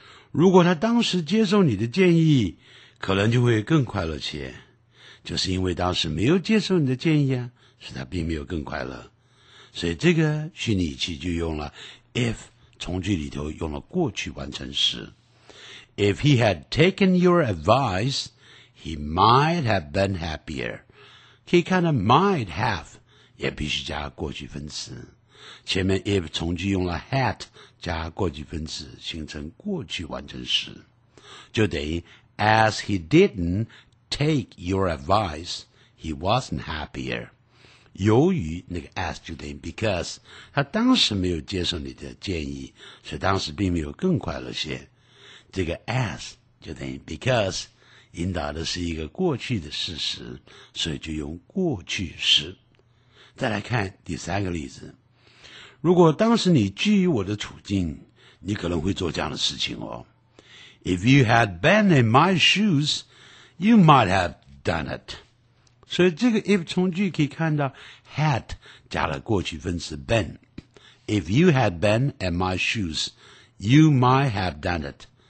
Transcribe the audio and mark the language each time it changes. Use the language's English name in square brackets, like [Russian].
[Chinese] 如果他当时接受你的建议，可能就会更快乐些，就是因为当时没有接受你的建议啊，所以他并没有更快乐。所以这个虚拟语气就用了 if， 从句里头用了过去完成时。 [English] If he had taken your advice, he might have been happier. [Chinese] 可以看到 might have 也必须加过去分词。前面 if 从句用了 had 加过去分词，形成过去完成时，就等于 [English] As he didn't take your advice, he wasn't happier. [Chinese] 由于那个 as 就等于 because， 他当时没有接受你的建议，所以当时并没有更快乐些。这个 as 就等于 because， 引导的是一个过去的事实，所以就用过去时。再来看第三个例子，如果当时你基于我的处境，你可能会做这样的事情哦。 [English] If you had been in my shoes, you might have done it. [Chinese] 所以这个 if 从句可以看到 had 加了过去分词 been. [English] If you had been in my shoes, you might have done it.